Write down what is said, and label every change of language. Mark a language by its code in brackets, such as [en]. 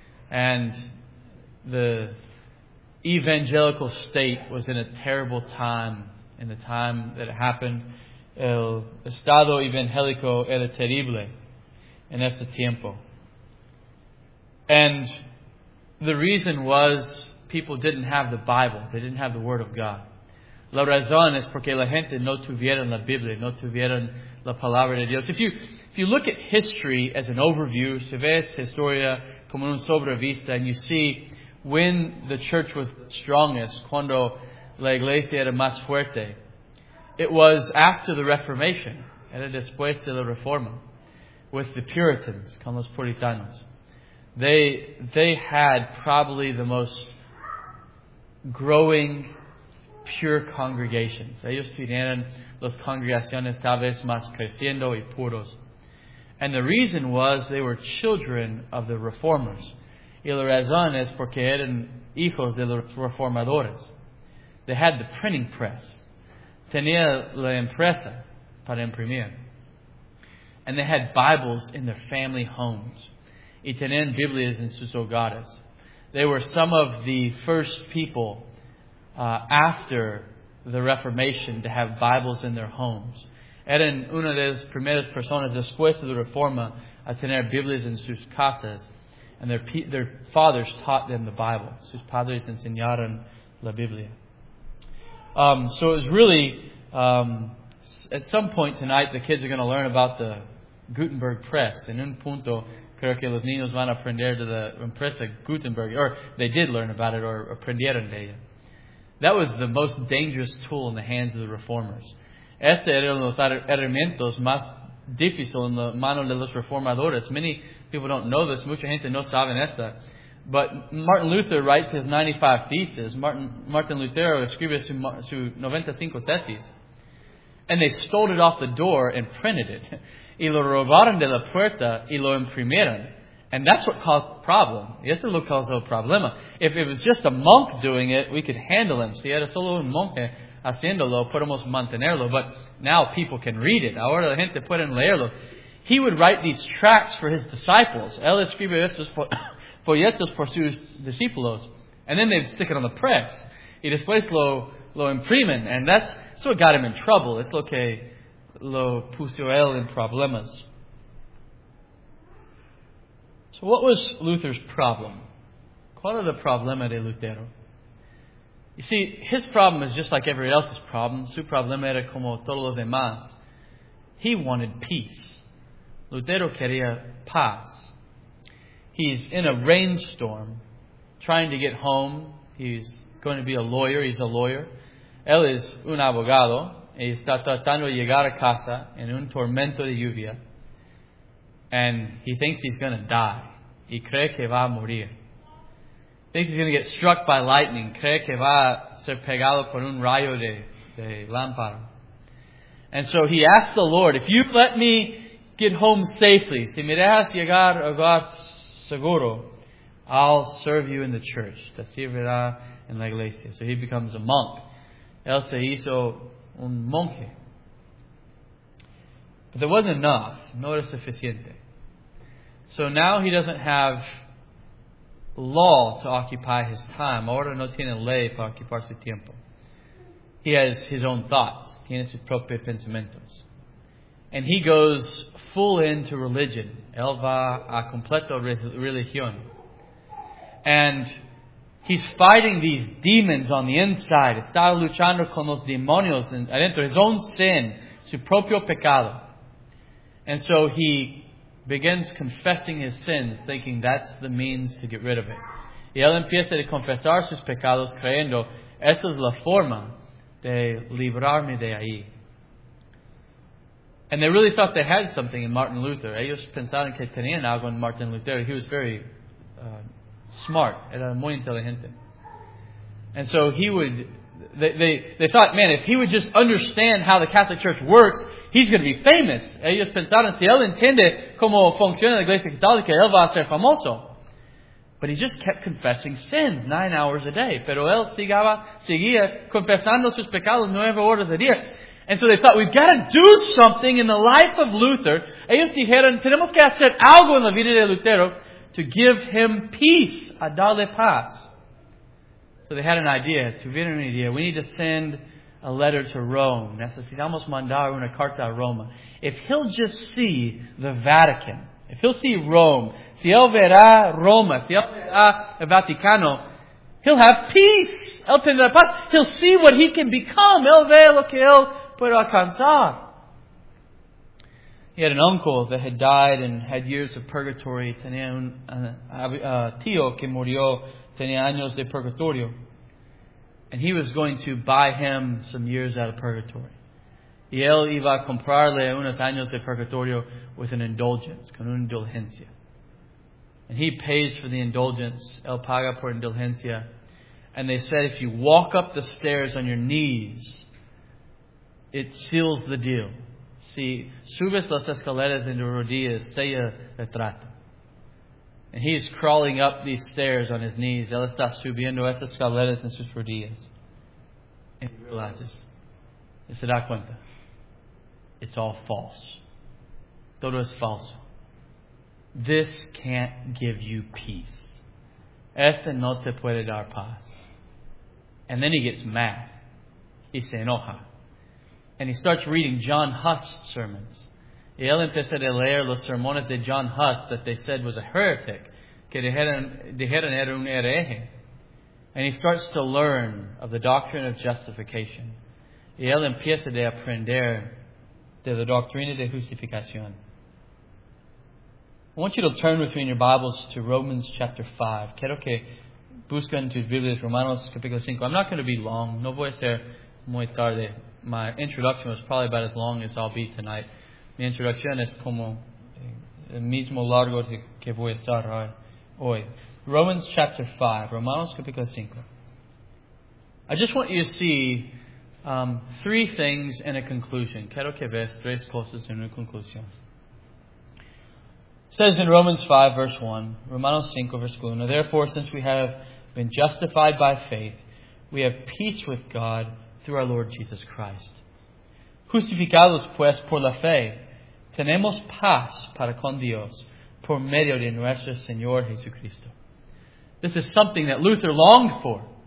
[en] And the evangelical state was in a terrible time. In the time that it happened, [es] el estado evangélico era terrible en ese tiempo. [en] And the reason was people didn't have the Bible. They didn't have the Word of God. [es] La razón es porque la gente no tuvieron la Biblia, no tuvieron la Palabra de Dios. [en] If you look at history as an overview, [es] si ves historia como un sobrevista, [en] and you see when the church was strongest, [es] cuando la iglesia era más fuerte, [en] it was after the Reformation, [es] era después de la Reforma, [en] with the Puritans, [es] con los Puritanos. [en] They had probably the most growing, pure congregations. [es] Ellos tenían las congregaciones tal vez más creciendo y puros. [en] And the reason was they were children of the Reformers. [es] Y la razón es porque eran hijos de los Reformadores. [en] They had the printing press. [es] Tenía la empresa para imprimir. [en] And they had Bibles in their family homes. [es] Y tenían Biblias en sus hogares. [en] They were some of the first people after the Reformation to have Bibles in their homes. [es] Eran una de las primeras personas después de la Reforma a tener Biblias en sus casas. [en] And their fathers taught them the Bible. [es] Sus padres enseñaron la Biblia. [en] So it was really, at some point tonight, the kids are going to learn about the Gutenberg Press. [es] En un punto, creo que los niños van a aprender de la empresa Gutenberg. [en] Or they did learn about it, or [es] aprendieron de ella. [en] That was the most dangerous tool in the hands of the Reformers. [es] Este eran los herramientas más difíciles en la mano de los Reformadores. [en] Many people don't know this. [es] Mucha gente no saben esta. [en] But Martin Luther writes his 95 theses. [es] Martin Luther escribe su 95 tesis. [en] And they stole it off the door and printed it. [es] Y lo robaron de la puerta y lo imprimieron. [en] And that's what caused the problem. [es] Y eso lo causó el problema. [en] If it was just a monk doing it, we could handle him. [es] Si era solo un monje haciéndolo, podemos mantenerlo. [en] But now people can read it. [es] Ahora la gente puede leerlo. [en] He would write these tracts for his disciples. [es] Él escribe estos por... folletos por sus discípulos, [en] and then they'd stick it on the press. [es] Y después lo imprimen, [en] and that's what got him in trouble. [es] It's lo que lo puso él en problemas. [en] So what was Luther's problem? [es] ¿Cuál era el problema de Lutero? [en] You see, his problem is just like everybody else's problem. [es] Su problema era como todos los demás. [en] He wanted peace. [es] Lutero quería paz. [en] He's in a rainstorm, trying to get home. He's going to be a lawyer. He's a lawyer. [es] Él es un abogado. Y está tratando de llegar a casa en un tormento de lluvia. [en] And he thinks he's going to die. [es] Y cree que va a morir. [en] Thinks he's going to get struck by lightning. [es] Cree que va a ser pegado por un rayo de lámpara. [en] And so he asked the Lord, if you let me get home safely, [es] si me dejas llegar a casa, seguro, [en] I'll serve you in the church. [es] Te servirá en la iglesia. [en] So he becomes a monk. [es] Él se hizo un monje. [en] But there wasn't enough. [es] No era suficiente. [en] So now he doesn't have law to occupy his time. [es] Ahora no tiene ley para ocupar su tiempo. [en] He has his own thoughts. [es] Tiene sus propios pensamientos. [en] And he goes full into religion. [es] Él va a completo religión. And [en] He's fighting these demons on the inside. [es] Está luchando con los demonios adentro. [en] His own sin. [es] Su propio pecado. [en] And so he begins confessing his sins, thinking that's the means to get rid of it. [es] Y él empieza a confesar sus pecados creyendo, esa es la forma de librarme de ahí. [en] And they really thought they had something in Martin Luther. [es] Ellos pensaron que tenían algo en Martin Luther. [en] He was very smart. [es] Era muy inteligente. [en] And so he would... They thought, man, if he would just understand how the Catholic Church works, he's going to be famous. [es] Ellos pensaron, si él entiende cómo funciona la Iglesia Católica, él va a ser famoso. [en] But he just kept confessing sins 9 hours a day. [es] Pero él seguía confesando sus pecados 9 horas a día. [en] And so they thought, we've got to do something in the life of Luther. [es] Ellos dijeron, tenemos que hacer algo en la vida de Lutero [en] to give him peace, [es] a darle paz. [en] So they had an idea. [es] Tuvieron una idea. [en] We need to send a letter to Rome. [es] Necesitamos mandar una carta a Roma. [en] If he'll just see the Vatican, if he'll see Rome, [es] si él verá Roma, si él verá el Vaticano, [en] he'll have peace. [es] Él tendrá paz. [en] He'll see what he can become. [es] Él ve lo que él puede alcanzar. [en] He had an uncle that had died and had years of purgatory. [es] Tenía un tío que murió. Tenía años de purgatorio. [en] And he was going to buy him some years out of purgatory. [es] Y él iba a comprarle unos años de purgatorio [en] with an indulgence, [es] con una indulgencia. [en] And he pays for the indulgence. [es] Él paga por indulgencia. [en] And they said, if you walk up the stairs on your knees, it seals the deal. [es] Si subes las escaleras en rodillas, sella el trato. [en] And he's crawling up these stairs on his knees. [es] Él está subiendo esas escaleras en sus rodillas. [en] And he realizes, [es] y se da cuenta, [en] it's all false. [es] Todo es falso. This can't give you peace. Este no te puede dar paz. [en] And then he gets mad. [es] Y se enoja. [en] And he starts reading John Huss' sermons. [es] Y él empieza a leer los sermones de John Huss [en] that they said was a heretic. [es] Que dijeron era un hereje. [en] And he starts to learn of the doctrine of justification. [es] Y él empieza a aprender de la doctrina de justificación. [en] I want you to turn with me in your Bibles to Romans chapter 5. [es] Quiero que busquen tus Biblias, Romanos capítulo 5. I'm not going to be long. No voy a ser muy tarde. [en] My introduction was probably about as long as I'll be tonight. [es] Mi introducción es como el mismo largo que voy a estar hoy. Hoy, [en] Romans chapter 5, [es] Romanos capítulo 5. [en] I just want you to see three things in a conclusion. [es] Quiero que veas tres cosas en una conclusión. [en] It says in Romans 5, verse 1, Romanos 5, verse 1, therefore, since we have been justified by faith, we have peace with God through our Lord Jesus Christ. [es] Justificados pues por la fe, tenemos paz para con Dios, por medio de nuestro Señor Jesucristo. [en] This is something that Luther longed for.